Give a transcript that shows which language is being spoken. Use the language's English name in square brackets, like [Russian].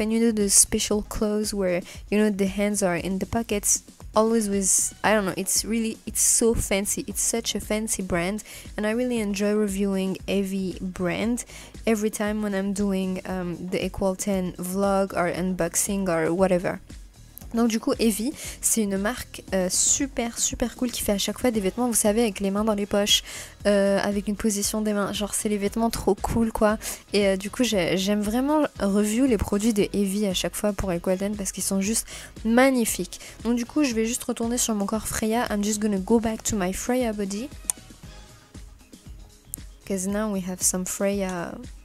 [English] And you know, the special clothes where, you know, the hands are in the pockets. Always with, I don't know, it's so fancy. It's such a fancy brand, and I really enjoy reviewing every brand every time when I'm doing the Equal10 vlog or unboxing or whatever. [French] Donc du coup, Heavy, c'est une marque super, super cool qui fait à chaque fois des vêtements, vous savez, avec les mains dans les poches, avec une position des mains. Genre, c'est les vêtements trop cool, quoi. Et du coup, j'aime vraiment review les produits de Heavy à chaque fois pour Equal10 parce qu'ils sont juste magnifiques. Donc du coup, je vais juste retourner sur mon corps Freya. [English] I'm just gonna go back to my Freya body. Because now we have some Freya...